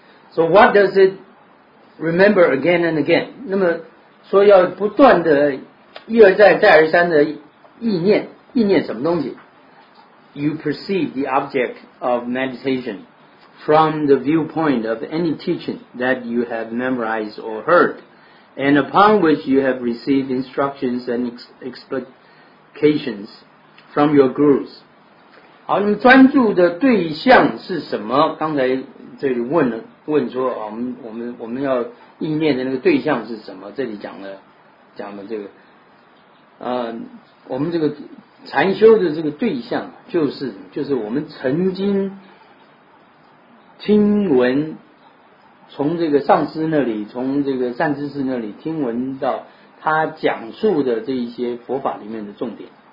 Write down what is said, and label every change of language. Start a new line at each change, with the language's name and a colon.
English: So what does it remember again and again？
Chinese: 那么说要不断的一而再再而三的意念什么东西？
English: You perceive the object of meditation from the viewpoint of any teaching that you have memorized or heard, and upon which you have received instructions and explications from your gurus.
Chinese: 好，你专注的对象是什么？刚才这里问说，我们要意念的那个对象是什么？这里讲了这个，我们这个禅修的这个对象就是我们曾经听闻，从这个上师那里，从这个善知识那里听闻到他讲述的这一些佛法里面的重点。